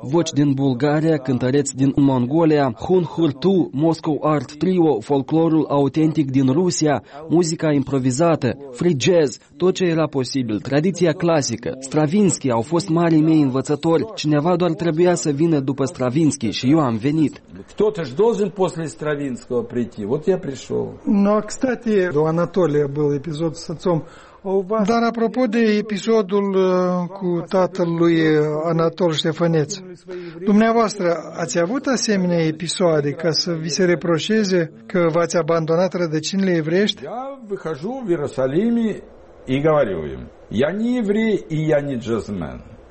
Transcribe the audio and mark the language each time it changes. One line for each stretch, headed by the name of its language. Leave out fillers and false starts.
Romanian: Voci din Bulgaria, cântăreți din Mongolia, Hun Hurtu, Moscow Art Trio, folclorul autentic din Rusia, muzica improvizată, free jazz, tot ce era posibil, tradiția clasică. Stravinsky au fost marii mei învățători. Cineva doar trebuia să vină după Stravinsky și eu am venit.
Russian: Stravinskiego прийти. Вот я пришёл. Ну, а, кстати, у Анатолия был эпизод с отцом.
Romanian: Dar apropo de episodul cu tatăl lui Anatol Ștefăneț, dumneavoastră ați avut asemenea episoade ca să vi se reproșeze că v-ați abandonat rădăcinile evreiești?
Russian: Я выхожу в Иерусалиме и говорю им: "Я не еврей и я не джазмен".